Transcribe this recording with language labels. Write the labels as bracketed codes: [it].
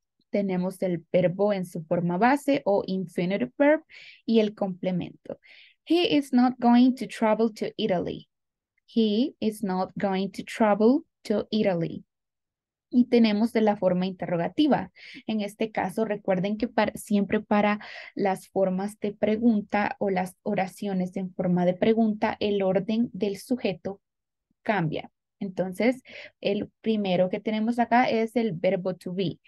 [es] Tenemos el verbo en su forma base o infinitive verb y el complemento. [en] He is not going to travel to Italy. He is not going to travel to Italy. [es] Y tenemos de la forma interrogativa. En este caso, recuerden que siempre para las formas de pregunta o las oraciones en forma de pregunta, el orden del sujeto cambia. Entonces, el primero que tenemos acá es el verbo to be.